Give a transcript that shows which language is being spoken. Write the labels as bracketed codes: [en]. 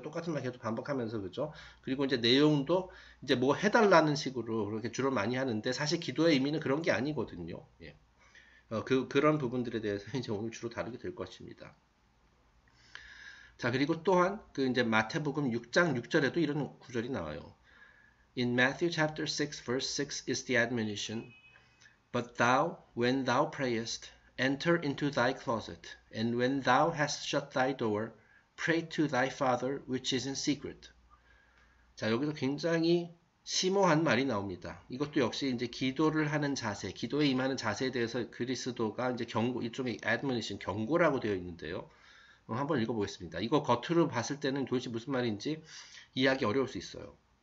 [ko] 똑같은 말 계속 반복하면서 그죠? 그리고 이제 내용도 이제 뭐 해달라는 식으로 그렇게 주로 많이 하는데 사실 기도의 의미는 그런 게 아니거든요. 예. 그런 부분들에 대해서 이제 오늘 주로 다루게 될 것입니다. 자, 그리고 또한 그 이제 마태복음 6장 6절에도 이런 구절이 나와요. [en] In Matthew chapter 6, verse 6 is the admonition, But thou, when thou prayest, enter into thy closet, and when thou hast shut thy door, pray to thy father which is in secret. [ko] 자, 여기서 굉장히 심오한 말이 나옵니다. 이것도 역시 이제 기도를 하는 자세, 기도에 임하는 자세에 대해서 그리스도가 이제 이쪽에 admonition, 경고라고 되어 있는데요. 한번 읽어보겠습니다. 이거 겉으로 봤을 때는 도대체 무슨 말인지 이해하기 어려울 수 있어요.